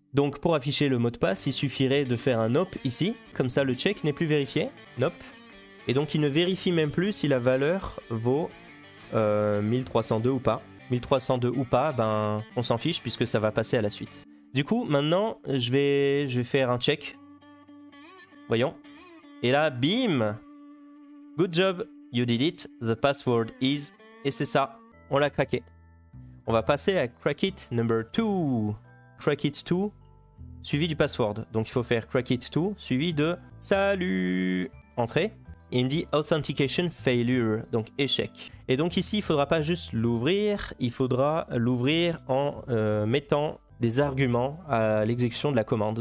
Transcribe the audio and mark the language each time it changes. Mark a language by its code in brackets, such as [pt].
[fr] Donc pour afficher le mot de passe, il suffirait de faire un nope ici, comme ça le check n'est plus vérifié, nope. Et donc il ne vérifie même plus si la valeur vaut 1302 ou pas. 1302 ou pas, ben on s'en fiche puisque ça va passer à la suite. Du coup, maintenant, je vais faire un check. Voyons. Et là, bim! [en] Good job, you did it, the password is... [fr] Et c'est ça, on l'a craqué. On va passer à crack it number 2. Crack it 2, suivi du password. Donc il faut faire crack it 2, suivi de... Salut! Entrée. Il me dit authentication failure, donc échec. Et donc ici, il ne faudra pas juste l'ouvrir, il faudra l'ouvrir en mettant des arguments à l'exécution de la commande.